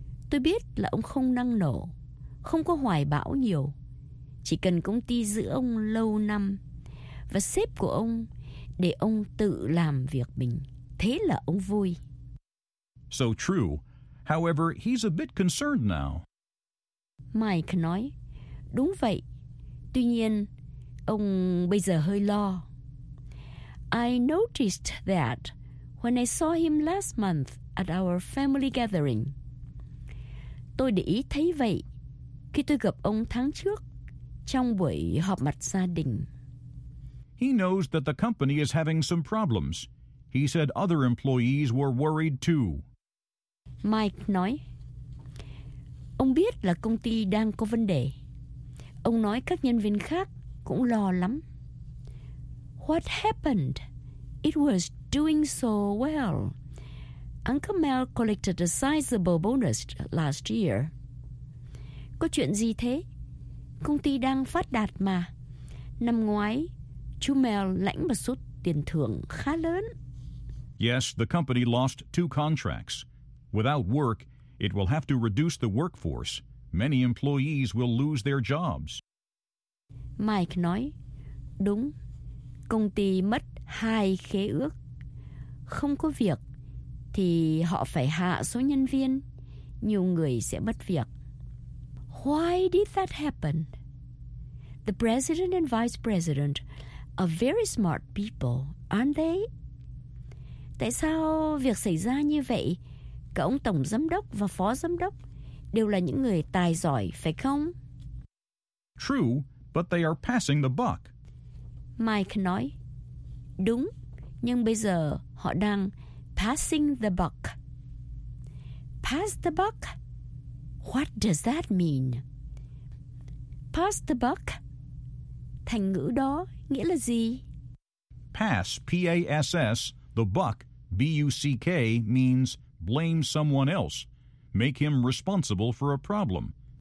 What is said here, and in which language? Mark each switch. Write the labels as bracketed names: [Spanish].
[Vietnamese] Tôi biết là ông không năng nổ, không có hoài bão nhiều. Chỉ cần công ty giữ ông lâu năm và sếp của ông để ông tự làm việc mình, thế là ông vui. [English] So true. However, he's a bit concerned now. [Vietnamese] Mike nói, đúng vậy. Tuy nhiên, ông bây giờ hơi lo. [English] I noticed that when I saw him last month at our family gathering. [Vietnamese] Tôi để ý thấy vậy khi tôi gặp ông tháng trước trong buổi họp mặt gia đình. [English] He knows that the company is having some problems. He said other employees were worried too. [Vietnamese] Mike nói, ông biết là công ty đang có vấn đề. Ông nói các nhân viên khác cũng lo lắm. [English] What happened? It was doing so well. Uncle Mel collected a sizable bonus last year. [Vietnamese] Có chuyện gì thế? Công ty đang phát đạt mà. Năm ngoái, chú Mel lãnh một số tiền thưởng khá lớn. [English] Yes, the company lost 2 contracts. Without work, it will have to reduce the workforce. Many employees will lose their jobs. [Vietnamese] Mike nói, đúng, công ty mất 2 khế ước. Không có việc thì họ phải hạ số nhân viên, nhiều người sẽ mất việc. [English] Why did that happen? The president and vice president are very smart people, aren't they? [Vietnamese] Tại sao việc xảy ra như vậy? Cả ông tổng giám đốc và phó giám đốc đều là những người tài giỏi, phải không? [English] True, but they are passing the buck. [Vietnamese] Mike nói, đúng, nhưng bây giờ họ đang passing the buck. Pass the buck? [English] What does that mean? Pass the buck? [Vietnamese] Thành ngữ đó nghĩa là gì? [English] pass, P-A-S-S, the buck, B-U-C-K, means blame someone else. Make him responsible for a problem.